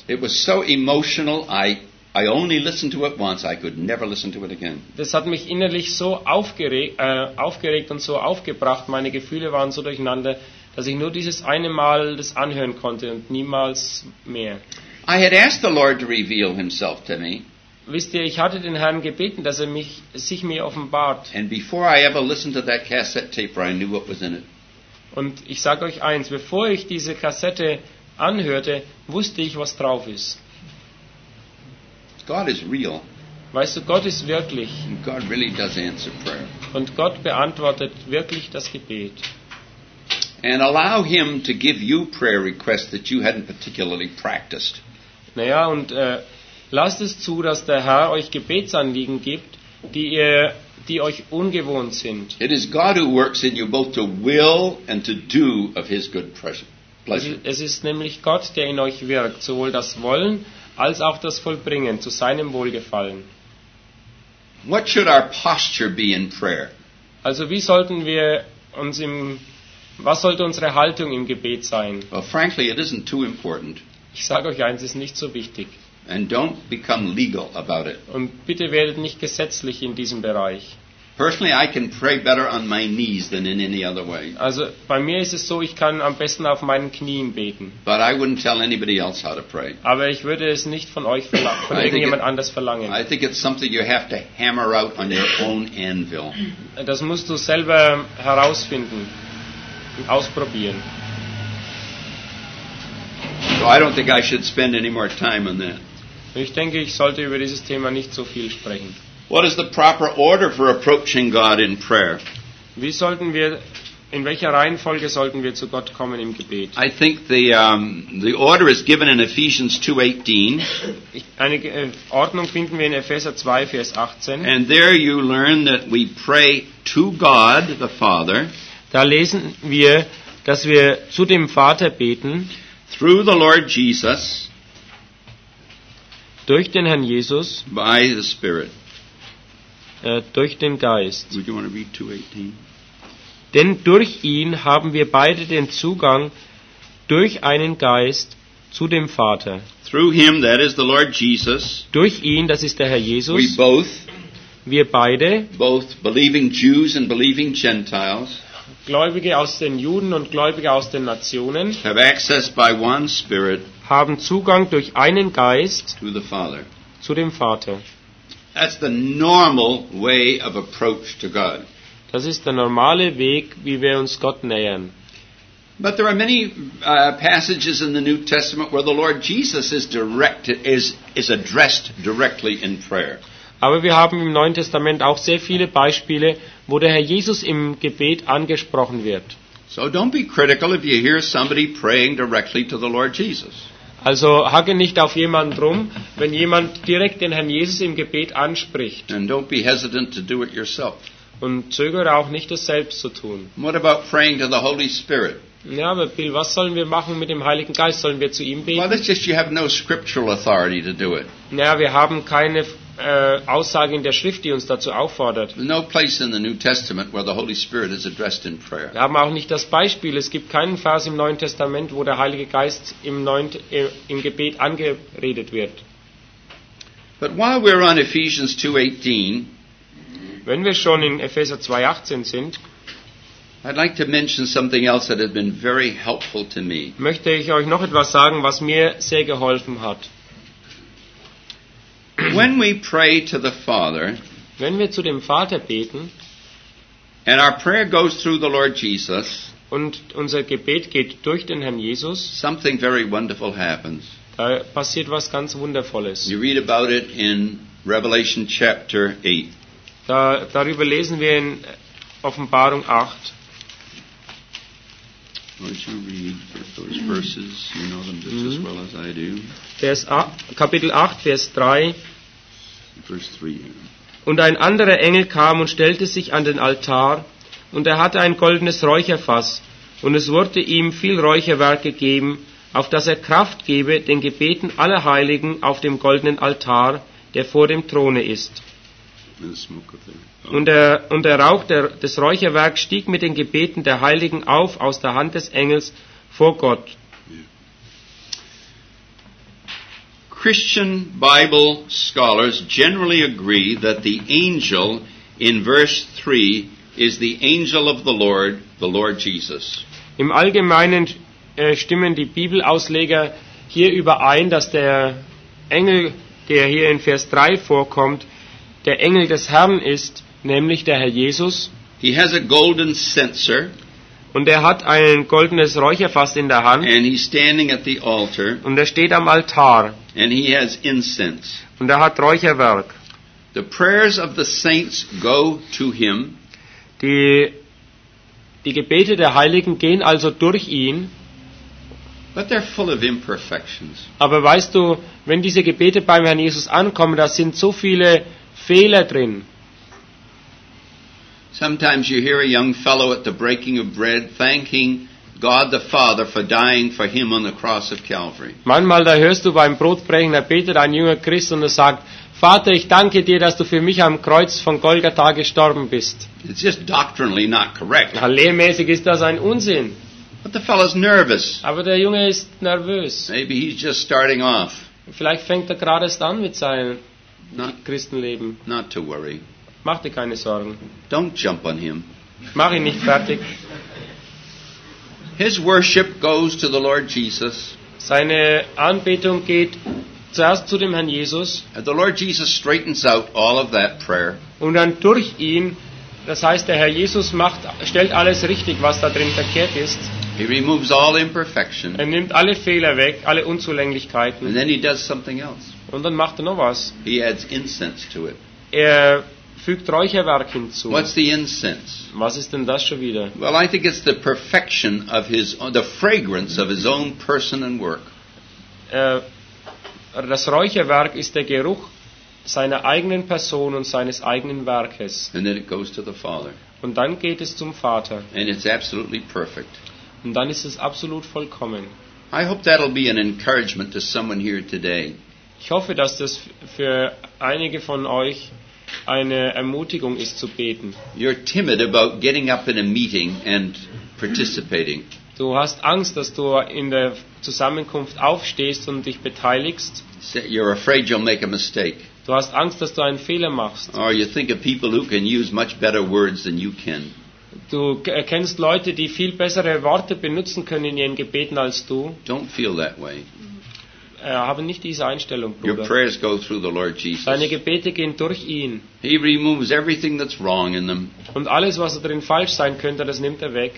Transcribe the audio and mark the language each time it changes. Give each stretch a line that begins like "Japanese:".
English: It was so emotional, I only listened to it once, I could never listen to it again.
German: Das hat mich innerlich so aufgeregt und so aufgebracht, meine Gefühle waren so durcheinander, dass ich nur dieses eine Mal das anhören konnte und niemals mehr.
English: I had asked the Lord to reveal himself to me.
German: Wisst ihr, ich hatte den Herrn gebeten, dass er sich mir offenbart.
English: And before I ever listened to that cassette tape, I knew what was in it.
German: Und ich sage euch eins, bevor ich diese Kassette anhörte, wusste ich, was drauf ist.
English: God is real.
German: Weißt du, Gott ist wirklich.
English: And God really does answer prayer.
German: Und Gott beantwortet wirklich das Gebet.
English: And allow him to give you prayer requests that you hadn't particularly practiced.
German: Naja, und lasst es zu, dass der Herr euch Gebetsanliegen gibt, die euch ungewohnt sind.
English: It is God who works in you both to will and to do of his good pleasure.
German: Es ist nämlich Gott, der in euch wirkt, sowohl das Wollen als auch das Vollbringen zu seinem Wohlgefallen.
English: What should our posture be in prayer?
German: Also wie sollten wir uns was sollte unsere Haltung im Gebet sein?
English: Well, frankly, it isn't too important.
German: Ich sage euch eins, es ist nicht so wichtig.
English: And don't become legal about it.
German: Und bitte werdet nicht gesetzlich in diesem Bereich.
English: Personally, I can pray better on my knees than in any other way.
German: Also bei mir ist es so, ich kann am besten auf meinen Knien beten.
English: But I wouldn't tell anybody else how to pray.
German: Aber ich würde es nicht von euch von irgendjemand anders verlangen.
English: I think it's something you have to hammer out on your own anvil.
German: Das musst du selber herausfinden und ausprobieren.
English: So I don't think I should spend any more time on that.
German: Ich denke, ich sollte über dieses Thema nicht so viel sprechen.
English: What is the proper order for approaching God in prayer?
German: Wie sollten wir In welcher Reihenfolge sollten wir zu Gott kommen im Gebet?
English: I think the order is given in Ephesians 2:18.
German: Eine Ordnung finden wir in Epheser 2, Vers 18.
English: And there you learn that we pray to God the Father.
German: Da lesen wir, dass wir zu dem Vater beten.
English: Through the Lord Jesus.
German: Durch den Herrn Jesus.
English: By the Spirit.
German: Durch den Geist.
English: Would you want to read 2:18?
German: Denn durch ihn haben wir beide den Zugang durch einen Geist zu dem Vater.
English: Through him, that is the Lord Jesus.
German: Durch ihn, das ist der Herr Jesus.
English: We both,
German: wir beide,
English: both believing Jews and believing Gentiles,
German: Gläubige aus den Juden und Gläubige aus den Nationen,
English: have access by one Spirit,
German: haben Zugang durch einen Geist
English: to the Father.
German: Zu dem Vater.
English: That's the normal way of approach to God.
German: Das ist der normale Weg, wie wir uns Gott nähern.
English: But there are many passages in the New Testament where the Lord Jesus is addressed directly in prayer.
German: Aber wir haben im Neuen Testament auch sehr viele Beispiele, wo der Herr Jesus im Gebet angesprochen wird.
English: So don't be critical if you hear somebody praying directly to the Lord Jesus.
German: Also hacke nicht auf jemanden rum, wenn jemand direkt den Herrn Jesus im Gebet anspricht.
English: And don't be hesitant to do it yourself.
German: Und zögere auch nicht, das selbst zu tun.
English: What about praying to the Holy Spirit?
German: Ja, aber Bill, was sollen wir machen mit dem Heiligen Geist? Sollen wir zu ihm beten?
English: Well, that's just you have no scriptural authority to do it.
German: Ja, wir haben keine Aussage in der Schrift, die uns dazu auffordert.
English: No place in the New Testament where the Holy Spirit is addressed in prayer.
German: Wir haben auch nicht das Beispiel. Es gibt keinen Vers im Neuen Testament, wo der Heilige Geist im Gebet angeredet wird.
English: But while we're on Ephesians 2:18.
German: Wenn wir schon in Epheser 2:18 sind,
English: I'd like to mention something else that has been very helpful to me.
German: Möchte ich euch noch etwas sagen, was mir sehr geholfen hat.
English: When we pray to the Father,
German: wenn wir zu dem Vater beten,
English: and our prayer goes through the Lord Jesus,
German: und unser Gebet geht durch den Herrn Jesus,
English: something very wonderful happens.
German: Da passiert was ganz Wundervolles.
English: You read about it in Revelation chapter 8.
German: Darüber lesen wir in Offenbarung 8.
English: Would you read those verses? You know them just as well as I do.
German: Kapitel 8, Vers 3. Vers 3, yeah. Und ein anderer Engel kam und stellte sich an den Altar, und er hatte ein goldenes Räucherfass, und es wurde ihm viel Räucherwerk gegeben, auf das er Kraft gebe den Gebeten aller Heiligen auf dem goldenen Altar, der vor dem Throne ist. Und der Rauch des Räucherwerks stieg mit den Gebeten der Heiligen auf aus der Hand des Engels vor Gott.
English: Christian Bible scholars generally agree that the angel in verse 3 is the angel of the Lord Jesus.
German: Im Allgemeinen stimmen die Bibelausleger hier überein, dass der Engel, der hier in Vers 3 vorkommt, der Engel des Herrn ist, nämlich der Herr Jesus.
English: He has a golden censer.
German: Und er hat ein goldenes Räucherfass in der Hand.
English: And he's standing at the altar.
German: Und er steht am Altar.
English: And he has incense.
German: Und er hat Räucherwerk.
English: The prayers of the saints go to him.
German: Die Gebete der Heiligen gehen also durch ihn.
English: But they're full of imperfections.
German: Aber weißt du, wenn diese Gebete beim Herrn Jesus ankommen, da sind so viele Fehler drin.
English: Sometimes you hear a young fellow at the breaking of bread thanking God the Father for dying for him on the cross of Calvary.
German: Manchmal da hörst du beim Brotbrechen, da betet ein junger Christ und er sagt: Vater, ich danke dir, dass du für mich am Kreuz von Golgatha gestorben bist.
English: It's just doctrinally not correct.
German: Na, lehrmäßig ist das ein Unsinn.
English: But the fellow's nervous.
German: Aber der Junge ist nervös.
English: Maybe he's just starting off.
German: Vielleicht fängt er gerade erst an mit seinem Christenleben.
English: Not to worry.
German: Mach dir keine Sorgen.
English: Don't jump on him.
German: Mach ihn nicht fertig.
English: His worship goes to the Lord Jesus.
German: Seine Anbetung geht zuerst zu dem Herrn Jesus.
English: The Lord Jesus straightens out all of that prayer.
German: Und dann durch ihn, das heißt, der Herr Jesus stellt alles richtig, was da drin verkehrt ist.
English: He removes all imperfection.
German: Er nimmt alle Fehler weg, alle Unzulänglichkeiten.
English: And then he does something else.
German: Und dann macht er noch was.
English: He adds incense to it.
German: Er fügt Räucherwerk hinzu.
English: What's the incense?
German: Was ist denn das schon wieder?
English: Well, I think it's the perfection of his, the fragrance of his own person and work.
German: Das Räucherwerk ist der Geruch seiner eigenen Person und seines eigenen Werkes.
English: And then it goes to the Father.
German: Und dann geht es zum Vater.
English: And it's absolutely perfect.
German: Und dann ist es absolut vollkommen.
English: I hope that'll be an encouragement to someone here today.
German: Ich hoffe, dass das für einige von euch eine Ermutigung ist, zu beten.
English: You're timid about getting up in a meeting and participating.
German: Du hast Angst, dass du in der Zusammenkunft aufstehst und dich beteiligst.
English: You're afraid you'll make a mistake.
German: Du hast Angst, dass du einen Fehler machst.
English: Or you think of people who can use much better words than you can.
German: Du erkennst Leute, die viel bessere Worte benutzen können in ihren Gebeten als du.
English: Don't feel that way.
German: Haben nicht diese Einstellung, Bruder.
English: Your prayers go through the Lord Jesus.
German: Deine Gebete gehen durch ihn.
English: He removes everything that's wrong in them.
German: Und alles, was darin falsch sein könnte, das nimmt er weg.